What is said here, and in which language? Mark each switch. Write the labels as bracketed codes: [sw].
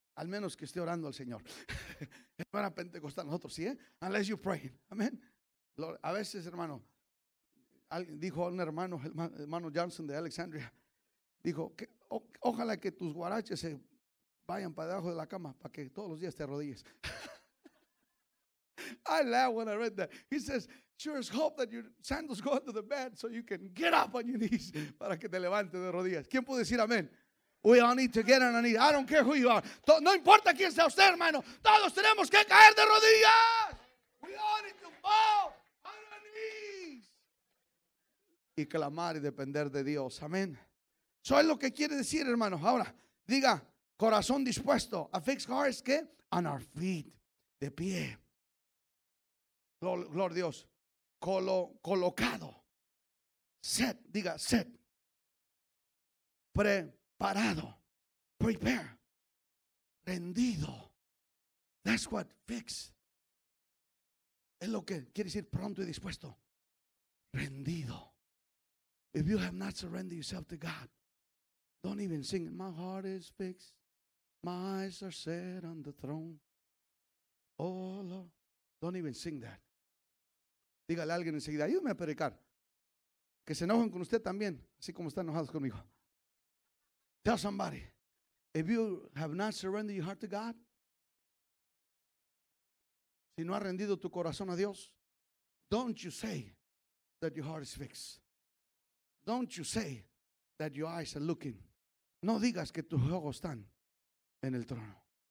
[es] Al menos que esté orando al Señor. Es para Pentecostal nosotros, ¿sí? Eh? [en] Unless you pray. [es] Amén. A veces, hermano, alguien dijo a un hermano, hermano Johnson de Alexandria, dijo, que, ojalá que tus guaraches se vayan para debajo de la cama para que todos los días te arrodilles. [en] I laugh when I read that. He says, sure as hope that your sandals go under the bed so you can get up on your knees. [es] Para que te levantes de rodillas. ¿Quién puede decir amén? [en] We all need to get on our knees. I don't care who you are. [es] No importa quién sea usted, hermano. Todos tenemos que caer de rodillas. [en] We all need to fall on our knees. [es] Y clamar y depender de Dios. Amén. Eso es lo que quiere decir, hermano. Ahora, diga, corazón dispuesto. [en] A fixed heart is [es] ¿qué? [en] On our feet. [es] De pie. Gloria a Dios. Colocado. Set. Diga, set. Preparado. Prepare. Rendido. [en] That's what fix. [es] Es lo que quiere decir pronto y dispuesto. Rendido. [en] If you have not surrendered yourself to God, don't even sing it. My heart is fixed. My eyes are set on the throne. Oh, Lord. Don't even sing that. [es] Dígale a alguien enseguida, ayúdame a predicar. Que se enojen con usted también, así como están enojados conmigo. [en] Tell somebody, if you have not surrendered your heart to God, [es] si no has rendido tu corazón a Dios, [en] don't you say that your heart is fixed. Don't you say that your eyes are looking. [es] No digas que tus ojos están en el trono.